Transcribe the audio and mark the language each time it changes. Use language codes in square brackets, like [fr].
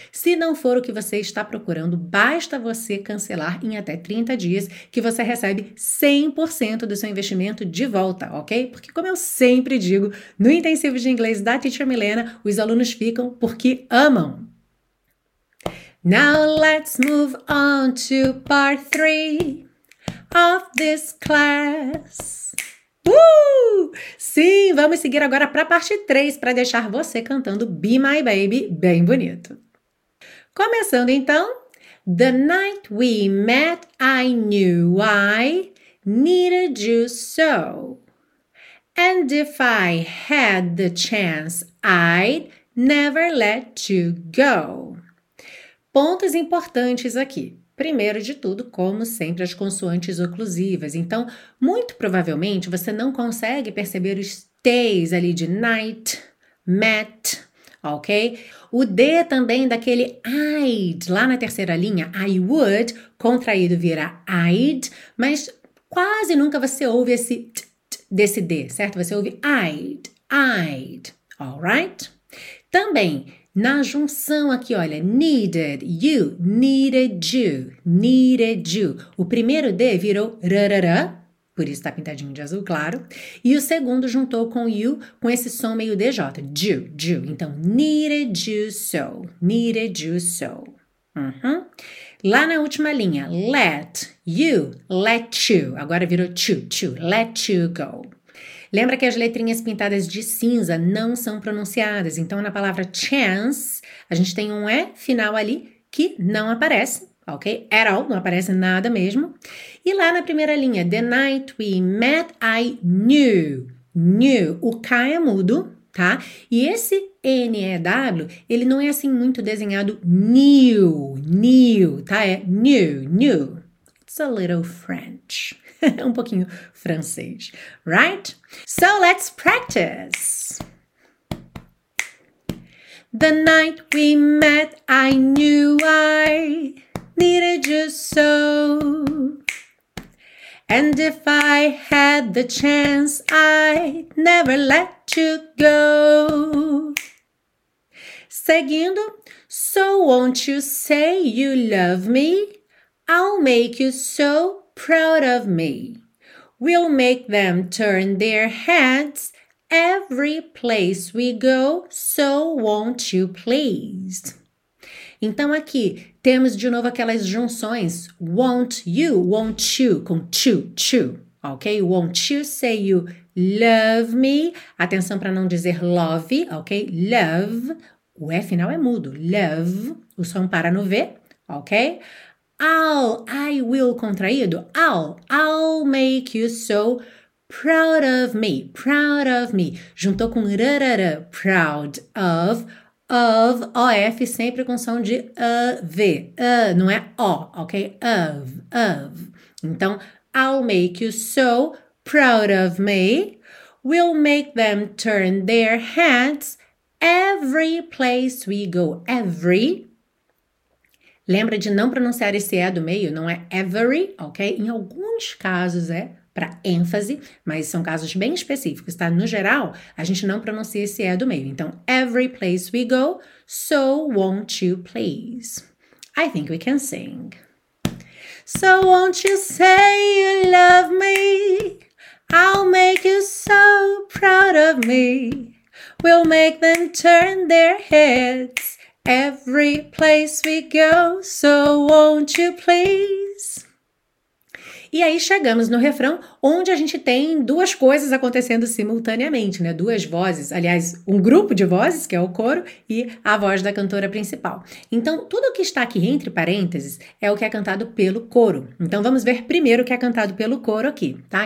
[pt] Se não for o que você está procurando, basta você cancelar em até 30 dias, que você recebe 100% do seu investimento de volta, ok? Porque, como eu sempre digo, no intensivo de inglês da Teacher Milena, os alunos ficam porque amam. [en] Now let's move on to part 3 of this class. [pt] Sim, vamos seguir agora para a parte 3 para deixar você cantando Be My Baby bem bonito. Começando então, [en] The night we met, I knew I needed you so. And if I had the chance, I'd never let you go. [pt] Pontos importantes aqui. Primeiro de tudo, como sempre, as consoantes oclusivas. Então, muito provavelmente, você não consegue perceber os T's ali de night, met, ok? O D também daquele I'd, lá na terceira linha, I would, contraído vira I'd, mas quase nunca você ouve esse t, t desse D, certo? Você ouve I'd, I'd, alright? Também, na junção aqui, olha, needed you, needed you, needed you. O primeiro D virou rarará, por isso tá pintadinho de azul, claro. E o segundo juntou com you, com esse som meio DJ, you, you. Então, needed you so, needed you so. Uhum. Lá na última linha, let you, agora virou to, to, let you go. Lembra que as letrinhas pintadas de cinza não são pronunciadas. Então, na palavra chance, a gente tem um E final ali que não aparece, ok? At all, não aparece nada mesmo. E lá na primeira linha, [en] the night we met, I knew. [pt] Knew. O K é mudo, tá? E esse N-E-W, ele não é assim muito desenhado new, new, tá? É new, new. [en] It's a little French. [pt] Um pouquinho francês, right? [en] So let's practice. The night we met, I knew I needed you so. And if I had the chance, I'd never let you go. Seguindo, so won't you say you love me? I'll make you so proud of me. We'll make them turn their heads every place we go, so won't you please? [pt] Então aqui temos de novo aquelas junções won't you, won't you com to, to, ok? [en] Won't you say you love me? [pt] Atenção para não dizer love, ok? Love, o E final é mudo, love, o som para no V, ok? [en] I will, contraído, I'll make you so proud of me, proud of me. [pt] Juntou com rarara, proud of, of, sempre com som de v, não é o, ok? [en] Of. Então, I'll make you so proud of me, we'll make them turn their heads every place we go, every. [pt] Lembra de não pronunciar esse E do meio, não é every, ok? Em alguns casos é para ênfase, mas são casos bem específicos, tá? No geral, a gente não pronuncia esse E do meio. [en] Então, every place we go, so won't you please? I think we can sing. So won't you say you love me? I'll make you so proud of me. We'll make them turn their heads. Every place we go, so won't you please? [pt] E aí chegamos no refrão, onde a gente tem duas coisas acontecendo simultaneamente, né? Duas vozes, aliás, um grupo de vozes, que é o coro, e a voz da cantora principal. Então, tudo que está aqui entre parênteses é o que é cantado pelo coro. Então, vamos ver primeiro o que é cantado pelo coro aqui, tá?